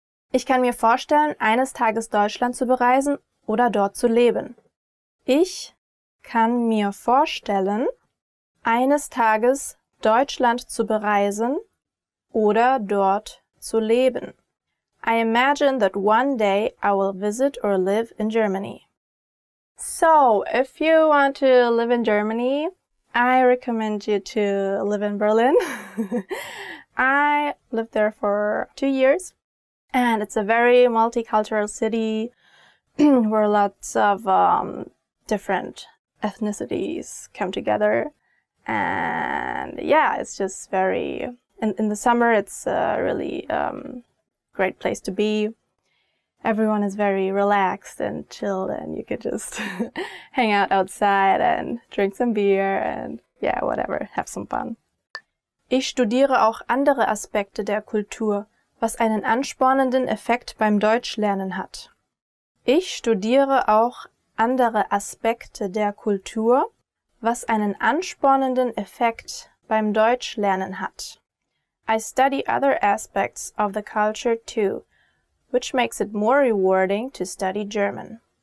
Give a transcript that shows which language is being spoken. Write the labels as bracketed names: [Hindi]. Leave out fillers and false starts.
[German] Ich kann mir vorstellen, eines Tages Deutschland zu bereisen oder dort zu leben. Ich kann mir vorstellen, eines Tages Deutschland zu bereisen oder dort zu leben. [English] I imagine that one day I will visit or live in Germany. So, if you want to live in Germany, I recommend you to live in Berlin. I lived there for 2 years, and it's a very multicultural city where lots of different ethnicities come together. And yeah, it's just very... In the summer, it's a really great place to be. Everyone is very relaxed and chilled, and you could just hang out outside and drink some beer and, yeah, whatever, have some fun. [German] Ich studiere auch andere Aspekte der Kultur, was einen anspornenden Effekt beim Deutschlernen hat. Ich studiere auch andere Aspekte der Kultur, was einen anspornenden Effekt beim Deutschlernen hat. [English] I study other aspects of the culture too, which makes it more rewarding to study German.